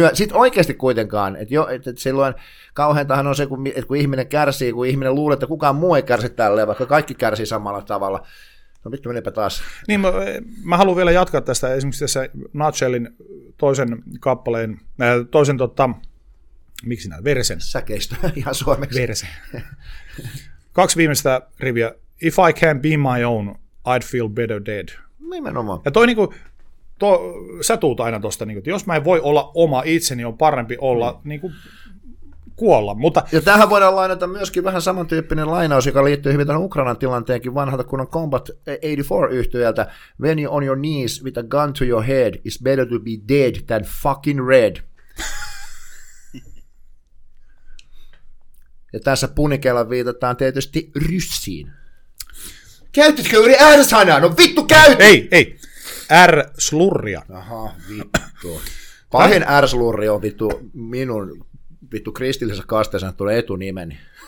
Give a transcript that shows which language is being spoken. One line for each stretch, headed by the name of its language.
Finnish: Sitten oikeasti kuitenkaan, että silloin kauheintahan on se, että kun ihminen kärsii, kun ihminen luulee, että kukaan muu ei kärsi tälleen, vaikka kaikki kärsii samalla tavalla. No vittu, menipä taas. Niin, mä haluan vielä jatkaa tästä esimerkiksi tässä Nutshellin toisen kappaleen, toisen miksi näin, versen. Säkeistö ihan suomeksi. Versen. Kaksi viimeistä riviä.
English: If I can be my own, I'd feel better dead.
Finnish: Nimenomaan. Ja toi niinku, sä tuut aina tosta, niin kuin, että jos mä en voi olla oma itseni, on parempi olla niin kuin kuolla. Mutta ja tähän voidaan lainata myöskin vähän samantyyppinen lainaus, joka liittyy hyvin tämän Ukrainan tilanteenkin vanhalta kunnan Combat 84-yhtyöltä.
English: When you're on your knees with a gun to your head, it's better to be dead than fucking red.
Finnish: Ja tässä punikella viitataan tietysti ryssiin. Käytitkö yli R-sanaa? No vittu käytit! Ei. R-slurria. Aha, vittu. Pahin R-slurri on vittu minun vittu kristillisessä kasteessa tulee etunimeni.